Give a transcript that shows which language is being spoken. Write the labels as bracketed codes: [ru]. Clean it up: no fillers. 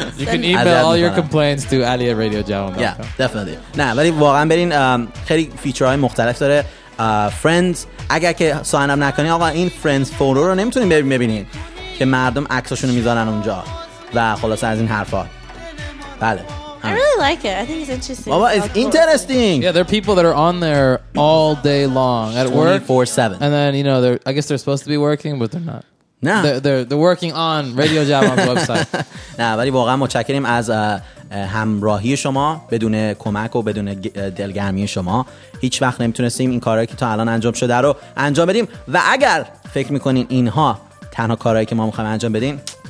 [en] you can email all your complaints to ali@radiojavan.com yeah definitely [fa] نه ولی واقعا برین خیلی فیچرهای مختلف داره فرندز اگر که ساین اپ نکنین آقا این فرندز فولو رو نمیتونین ببینین که مردم عکساشونو میذارن اونجا و خلاصه از این حرفا بله [en] I really like it. I think it's interesting. Well, it's interesting. Yeah, there are people that are on there all day long at work, 24/7. And then you know, they're—I guess they're supposed to be working, but they're not. Nah, they're working on Radio Java's website. [fa] Nah, ولی واقعا متشکریم از همراهی شما بدون کمک و بدون دلگرمی شما هیچ وقت نمیتونستیم این کارهایی که تا الان انجام شده رو انجام بدیم و اگر فکر میکنین اینها تنها کارهایی که ما میخوایم انجام بدیم.